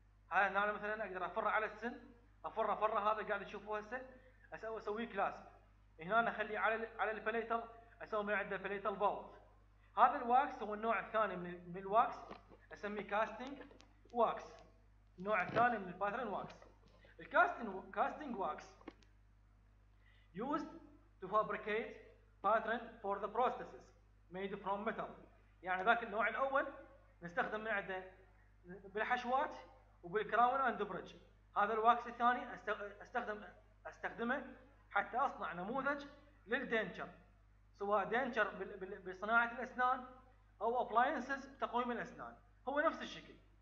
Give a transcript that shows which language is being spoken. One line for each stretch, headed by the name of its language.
Arabic: هذا انا مثلا اقدر افر على السن، افر هذا قاعد تشوفوه هسه، اسوي كلاسب هنا اخليه على البليتر، اسوي من عنده بليتال بولت. هذا الواكس هو النوع الثاني من الواكس اسميه كاستينج واكس، النوع الثاني من الباترن واكس.
English: الكاستينج wax used to fabricate pattern for the prosthesis made from metal.
Arabic: يعني ذاك النوع الاول نستخدم من عنده بالحشوات وبالكراون اند بريدج. هذا الواكس الثاني استخدمه حتى اصنع نموذج للدينشر، سواء دينشر بصناعة الأسنان أو أبلاينسز بتقويم الأسنان، هو نفس الشكل.